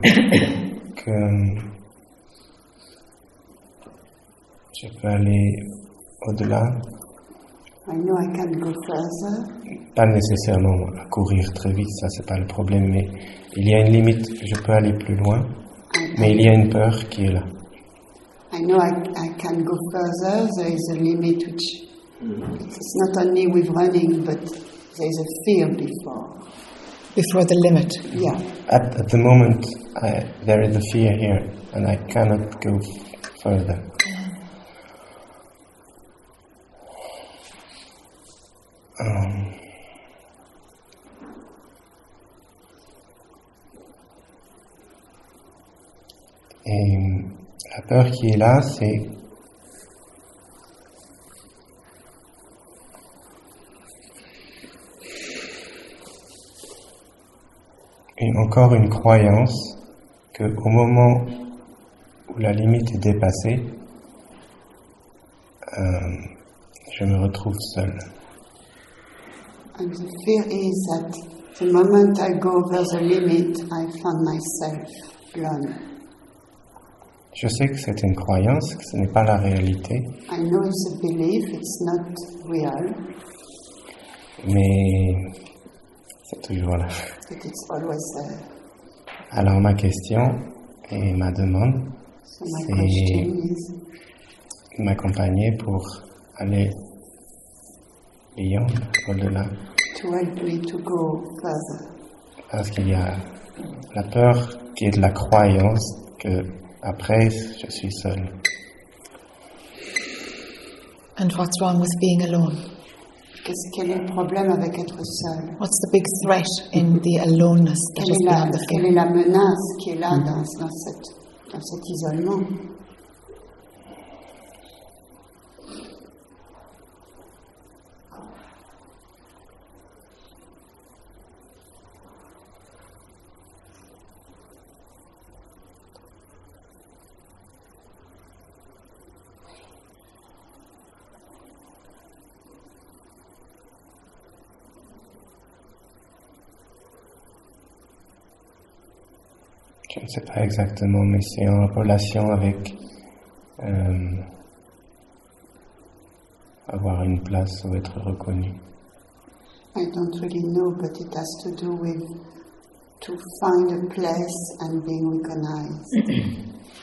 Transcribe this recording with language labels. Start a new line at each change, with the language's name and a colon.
French: Que je peux aller au-delà.
English: I know I can go further.
French: Pas nécessairement à courir très vite, ça c'est pas le problème, mais il y a une limite, je peux aller plus loin, mais il y a une peur qui est là.
English: I know I can go further, there is a limit which... It's not only with running, but there is a fear before the limit. Yeah. At the moment, there is a fear here, and I cannot go further.
French: Et la peur qui est là, c'est et encore une croyance que au moment où la limite est dépassée, je me retrouve seul.
English: And the fear is that the moment I go over the limit, I find myself alone.
French: Je sais que c'est une croyance, que ce n'est pas la réalité.
English: I know it's a belief, it's not real.
French: Mais c'est toujours là.
English: But it's always there.
French: Alors ma question et ma demande, c'est m'accompagner pour aller beyond, au-delà.
English: To help me to go further.
French: Parce qu'il y a la peur qui est de la croyance que après je suis seul.
English: And what's wrong with being alone?
French: Qu'est-ce qu'il y a le problème avec être seul?
English: What's the big threat in the aloneness that
French: quelle
English: is
French: la,
English: behind the fear?
French: Quelle est la menace qui est là dans cet isolement? Je ne sais pas exactement, mais c'est en relation avec avoir une place ou être reconnu.
English: I don't really know, but it has to do with to find a place and being recognized.